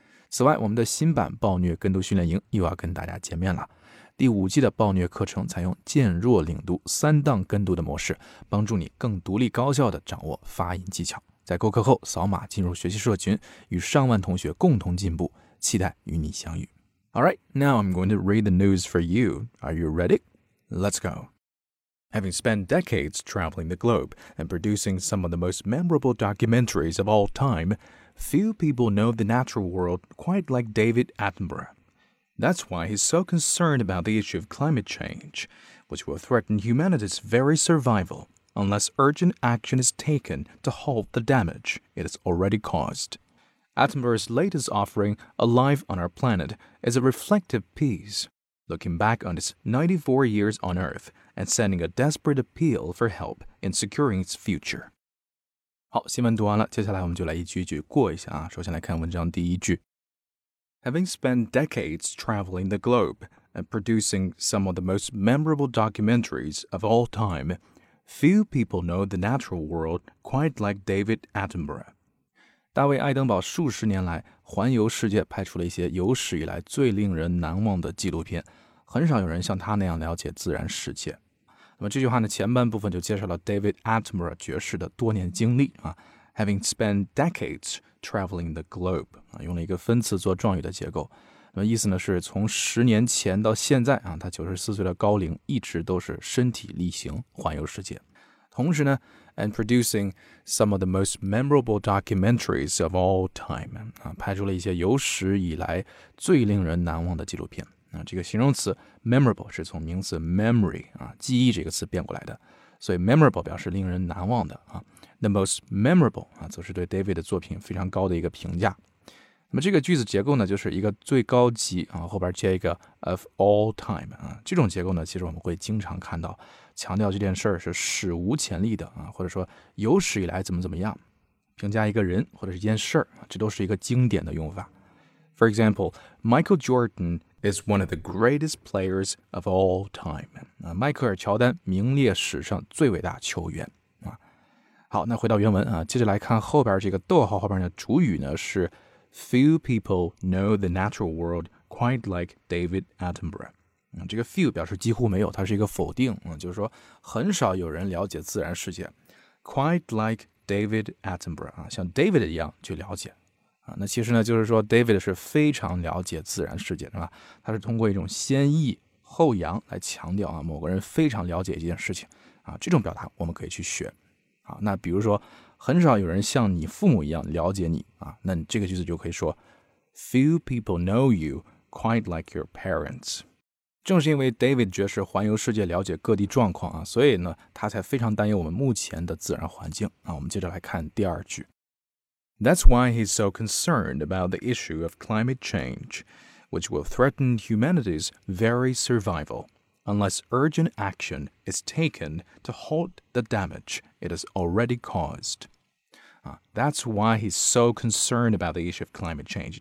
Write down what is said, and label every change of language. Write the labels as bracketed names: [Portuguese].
[Chinese] 此外，我们的新版暴虐跟读训练营又要跟大家见面了。第五季的暴虐课程采用渐弱领读三档跟读的模式，帮助你更独立高效地掌握发音技巧。在购课后扫码进入学习社群，与上万同学共同进步，期待与你相遇。 [English] Alright, now I'm going to read the news for you. Are you ready? Let's go. Having spent decades traveling the globe and producing some of the most memorable documentaries of all time, few people know the natural world quite like David Attenborough. That's why he's so concerned about the issue of climate change, which will threaten humanity's very survival unless urgent action is taken to halt the damage it has already caused. Attenborough's latest offering, Alive on Our Planet, is a reflective piece, looking back on its 94 years on Earth and sending a desperate appeal for help in securing its future. [Chinese] 好，新闻读完了，接下来我们就来一句一句过一下啊。首先来看文章第一句。 [English] Having spent decades traveling the globe and producing some of the most memorable documentaries of all time, few people know the natural world quite like David Attenborough. [Chinese] 大卫·爱登堡数十年来环游世界，拍出了一些有史以来最令人难忘的纪录片，很少有人像他那样了解自然世界。那么这句话的前半部分就介绍了 David Attenborough 爵士的多年经历啊 ， [English] Having spent decades traveling the globe [Chinese] 啊，用了一个分词做状语的结构。那么意思呢是从十年前到现在啊，他94岁的高龄一直都是身体力行环游世界，同时呢。 [English] And producing some of the most memorable documentaries of all time. [Chinese] 啊，拍出了一些有史以来最令人难忘的纪录片。啊，这个形容词 memorable 是从名词 memory 啊，记忆这个词变过来的。所以 memorable 表示令人难忘的啊。 [English] The most memorable [Chinese] 啊，则是对 David 的作品非常高的一个评价。那么这个句子结构呢，就是一个最高级啊，后边接一个 [English] of all time [Chinese] 啊。这种结构呢，其实我们会经常看到。强调这件事儿是史无前例的啊，或者说有史以来怎么怎么样，评价一个人或者是一件事儿啊，这都是一个经典的用法。 [English] For example, Michael Jordan is one of the greatest players of all time. [Chinese] 啊，迈克尔·乔丹名列史上最伟大球员啊。好，那回到原文啊，接着来看后边这个逗号后边的主语呢是 [English] Few people know the natural world quite like David Attenborough. [Chinese] 这个 few 表示几乎没有，它是一个否定，就是说很少有人了解自然世界。 [English] Quite like David Attenborough， [Chinese] 像 David 一样去了解。那其实呢，就是说 David 是非常了解自然世界，是吧？他是通过一种先抑后扬来强调，某个人非常了解一件事情。这种表达我们可以去学。那比如说，很少有人像你父母一样了解你，那你这个句子就可以说 [English] Few people know you quite like your parents。 [Chinese] 正是因为 David 爵士环游世界了解各地状况啊，所以呢他才非常担忧我们目前的自然环境啊。我们接着来看第二句。 [English] That's why he's so concerned about the issue of climate change, which will threaten humanity's very survival, unless urgent action is taken to halt the damage it has already caused. That's why he's so concerned about the issue of climate change.